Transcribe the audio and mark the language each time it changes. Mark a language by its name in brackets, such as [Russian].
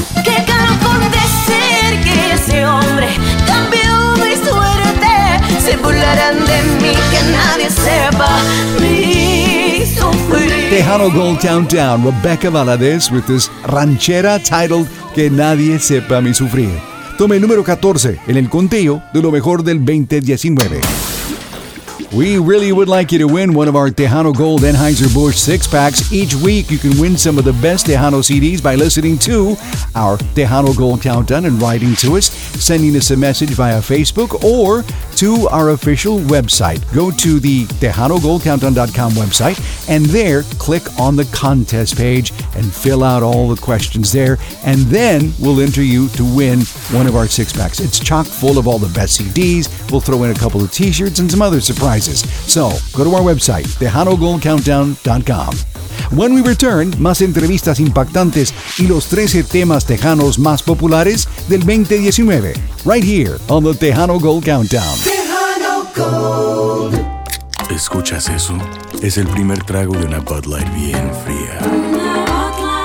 [Spanish] Qué caro con decir que ese hombre cambió mi suerte, se burlarán de mí, que nadie sepa mi sufrir. [English] Tejano Gold Countdown, Rebeca Valadez with this ranchera titled Que Nadie Sepa Mi Sufrir. [Spanish] Tome el número 14 en el conteo de lo mejor del 2019. [English] We really would like you to win one of our Tejano Gold Anheuser-Busch six-packs. Each week, you can win some of the best Tejano CDs by listening to our Tejano Gold Countdown and writing to us, sending us a message via Facebook or to our official website. Go to the TejanoGoldCountdown.com website and there, click on the contest page and fill out all the questions there. And then we'll enter you to win one of our six-packs. It's chock full of all the best CDs. We'll throw in a couple of t-shirts and some other surprises. So, go to our website, TejanoGoldCountdown.com. When we return, [Spanish] más entrevistas impactantes y los 13 temas tejanos más populares del 2019. [English] Right here on the Tejano Gold Countdown. [Spanish] Tejano Gold. ¿Escuchas eso? Es el primer trago de una Bud Light bien fría.